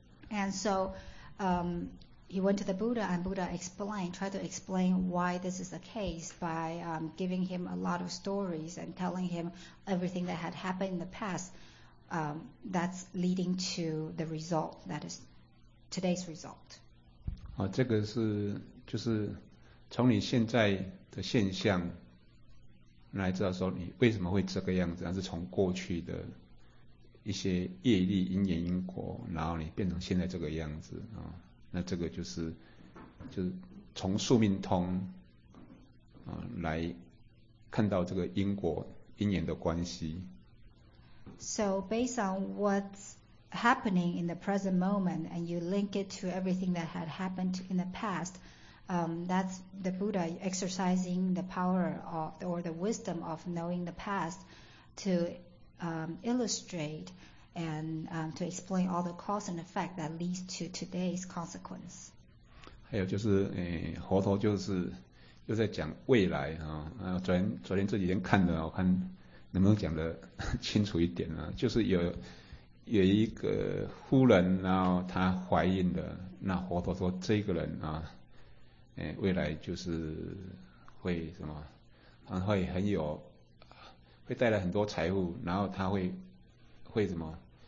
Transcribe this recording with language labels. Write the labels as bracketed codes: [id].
[en] And so he went to the Buddha, and Buddha tried to explain why this is the case by giving him a lot of stories and telling him everything that had happened in the past that's leading to the result that is today's result. [zh] 好，这个是就是从你现在的现象来知道说你为什么会这个样子，那是从过去的一些业力因缘因果，然后你变成现在这个样子啊。那这个就是从宿命通来看到这个因果因缘的关系。 [en] So based on what's happening in the present moment and you link it to everything that had happened in the past, that's the Buddha exercising the power of or the wisdom of knowing the past to illustrateand to explain all the cause and effect that leads to today's consequence. [zh] 还有就是佛陀就是又在讲未来啊，昨天这几天看的，我看能不能讲得清楚一点啊，就是有一个夫人，然后她怀孕的，那佛陀说这个人啊未来就是会什么，然后会很有会带来很多财富，然后他会什么